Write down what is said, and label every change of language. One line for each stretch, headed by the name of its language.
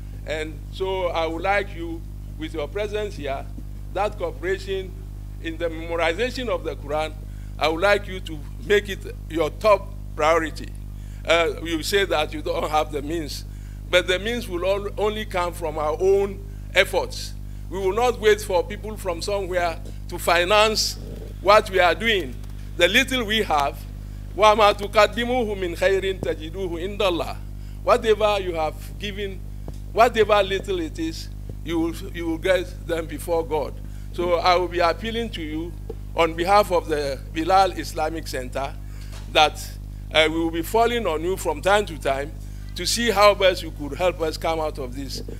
English: And so I would like you, with your presence here, that cooperation in the memorization of the Quran, I would like you to make it your top priority. You say that you don't have the means, but the means will only come from our own efforts. We will not wait for people from somewhere to finance what we are doing. The little we have,
Arabic: وما تقدموه من خير تجدوه عند الله.
English: Whatever you have given, whatever little it is, you will get them before God. So I will be appealing to you on behalf of the Bilal Islamic Center that we will be falling on you from time to time to see how best you could help us come out of this.